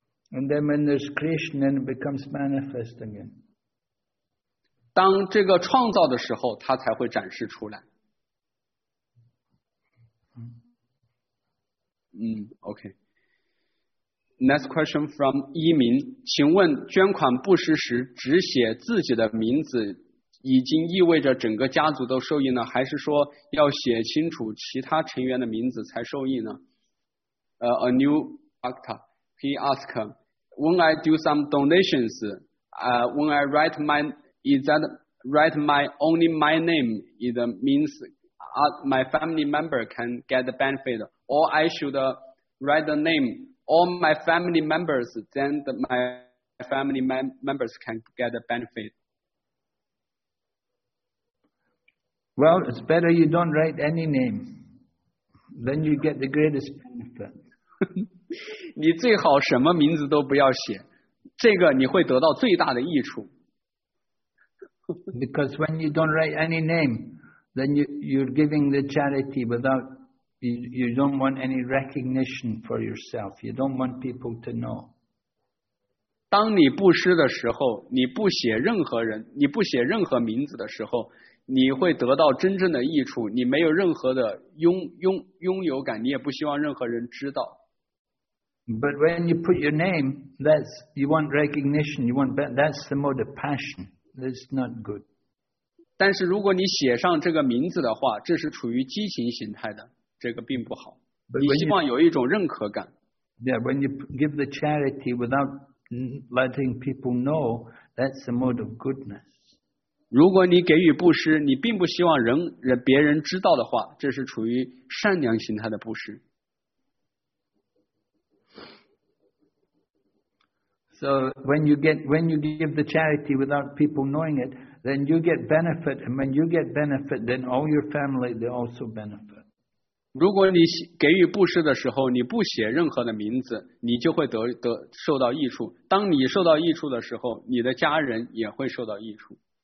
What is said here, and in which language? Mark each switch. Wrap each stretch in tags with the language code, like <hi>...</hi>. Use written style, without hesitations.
<en>And then when there's creation, then it becomes manifest again.</en> <zh>当这个创造的时候它才会展示出来。</zh> <en>OK. Next question from</en> <zh>一鸣，请问捐款布施时只写自己的名字，已经意味着整个家族都受益呢，还是说要写清楚其他成员的名字才受益呢？</zh> <en>A new actor, he asked, when I do some donations, when I write my, is that write my only my name? It means my family member can get the benefit, or I should write the name. All my family members, then my family members can get a benefit. Well, it's better you don't write any name. Then you get the greatest benefit.</en> <zh>你最好什么名字都不要写，这个你会得到最大的益处。</zh> <en>Because when you don't write any name, then you're giving the charity without... You don't want any recognition for yourself. You don't want people to know.</en> <zh>当你布施的时候，你不写任何人，你不写任何名字的时候，你会得到真正的益处。你没有任何的拥有感，你也不希望任何人知道。</zh> <en>But when you put your name, you want recognition. You want that's the mode of passion. That's not good.</en> <zh>但是如果你写上这个名字的话，这是处于激情形态的。这个并不好，你希望有一种认可感。</zh> <en>Yeah, when you give the charity without letting people know, that's the mode of goodness.</en> <zh>如果你给予布施，你并不希望别人知道的话，这是处于善良形态的布施。</zh> <en>So when you give the charity without people knowing it, then you get benefit, and when you get benefit, then all your family they also benefit.</en> <zh>如果你给予布施的时候，你不写任何的名字，你就会得受到益处。当你受到益处的时候，你的家人也会受到益处。</zh>